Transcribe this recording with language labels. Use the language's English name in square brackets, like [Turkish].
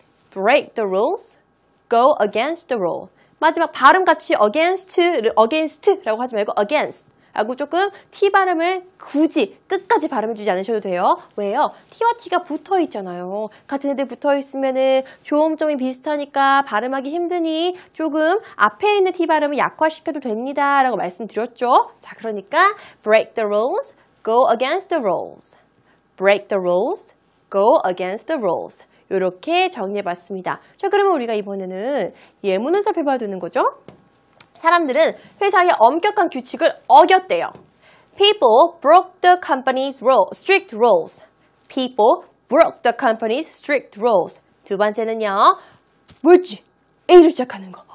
[English] Break the rules, go against the rule. [Korean] 마지막 발음 같이 against라고 하지 말고 [English] against. [Korean] 하고 조금 T 발음을 굳이 끝까지 발음해주지 않으셔도 돼요. 왜요? T와 T가 붙어 있잖아요. 같은 애들 붙어 있으면은 조음점이 비슷하니까 발음하기 힘드니 조금 앞에 있는 T 발음을 약화시켜도 됩니다. 라고 말씀드렸죠. 자, 그러니까 [English] break the rules, go against the rules. Break the rules, go against the rules. [Korean] 이렇게 정리해봤습니다. 자, 그러면 우리가 이번에는 예문을 살펴봐야 되는 거죠? 사람들은 회사의 엄격한 규칙을 어겼대요. [English] People broke the company's strict rules. People broke the company's strict rules. [Korean] 두 번째는요. 뭐였지? A로 시작하는 거.